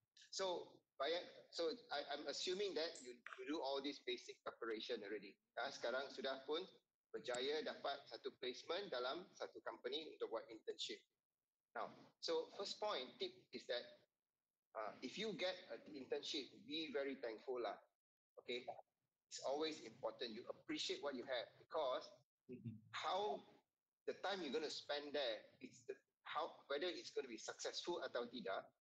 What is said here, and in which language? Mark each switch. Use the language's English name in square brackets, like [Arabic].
[English] So I'm assuming that you do all this basic preparation already. [Malay] Sekarang sudah pun berjaya dapat satu placement dalam satu company untuk buat internship. [English] Now, so first point, tip is that if you get an internship, be very thankful lah. Okay, it's always important you appreciate what you have because how the time you're going to spend there, it's whether it's going to be successful [Malay] atau tidak,